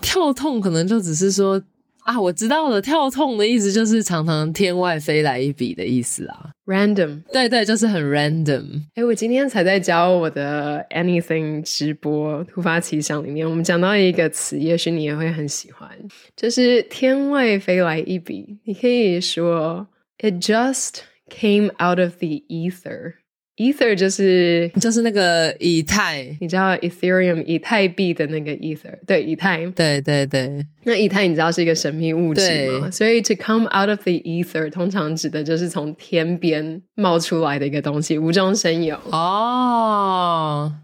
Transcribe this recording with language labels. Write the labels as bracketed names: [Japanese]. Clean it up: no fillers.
[Chinese] 跳痛可能就只是说啊，我知道了，跳痛的意思就是常常天外飞来一笔的意思啊。 [English] Random， [Chinese] 对对，就是很 random。欸，我今天才在教我的 Anything 直播突发奇想里面，我们讲到一个词，也许你也会很喜欢，就是天外飞来一笔。你可以说 [English] It just came out of the ether。 [Chinese] Ether 就是那个以太，你知道 Ethereum 以太币的那个 Ether， 对，以太，对对对，那以太你知道是一个神秘物质吗？所以 [English] to come out of the ether [Chinese] 通常指的就是从天边冒出来的一个东西，无中生有哦， oh.